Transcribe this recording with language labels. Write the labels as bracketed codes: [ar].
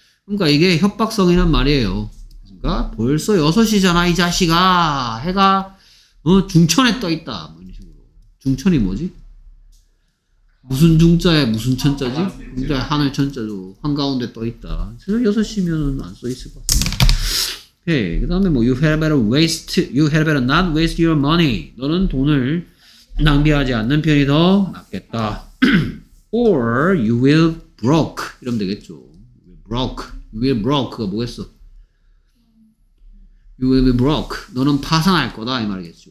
[ko] 그러니까 이게 협박성이란 말이에요. 그러니까 벌써 6시잖아 이 자식아. 해가 중천에 떠 있다. 뭐 이런 식으로. 중천이 뭐지? 무슨 중자에 무슨 천자지? 중자에 하늘 천자도 한가운데 떠 있다. 6시면은 안 써 있을 것 같은데. 오케이. 그 다음에 뭐 [en] you had better not waste your money. [ko] 너는 돈을 낭비하지 않는 편이 더 낫겠다. [en] or you will broke. [ko] 이러면 되겠죠. [en] broke. you will broke가 [ko] 뭐겠어? [en] you will be broke. [ko] 너는 파산할 거다 이 말이겠죠.